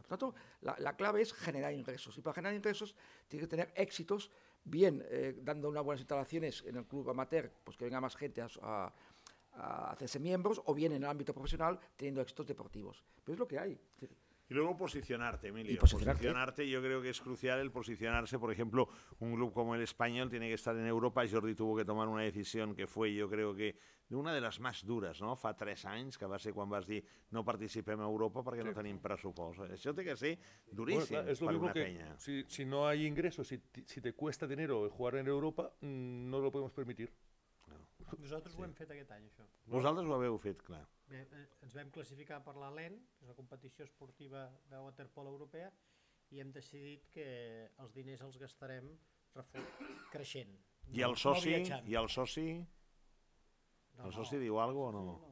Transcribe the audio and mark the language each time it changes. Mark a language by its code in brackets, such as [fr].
[es] Por tanto, la clave es generar ingresos. Y para generar ingresos tienes que tener éxitos, bien dando unas buenas instalaciones en el club amateur, pues que venga más gente a hacerse miembros, o bien en el ámbito profesional teniendo éxitos deportivos. Pero es lo que hay. Y luego posicionarte, Emilio. ¿Y posicionarte? Yo creo que es crucial el posicionarse. Por ejemplo, un club como el Español tiene que estar en Europa. Jordi tuvo que tomar una decisión que fue, yo creo que, una de las más duras, ¿no? [ca] Fa tres anys que va ser quan vas dir no participem a Europa perquè sí. No tenim pressupost. Això té que ser duríssim bueno, clar, per una penya. [es] Si no hay ingresos, si te cuesta dinero jugar en Europa, no lo podemos permitir. No. [ca] Nosaltres sí. Ho hem fet aquest any, això. Vosaltres ho haveu fet, clar. Bé, ens vam classificar per l'ALEN, que és la competició esportiva de waterpolo europea, i hem decidit que els diners els gastarem creixent. I el soci? No, i el soci? No, el soci diu algo o no?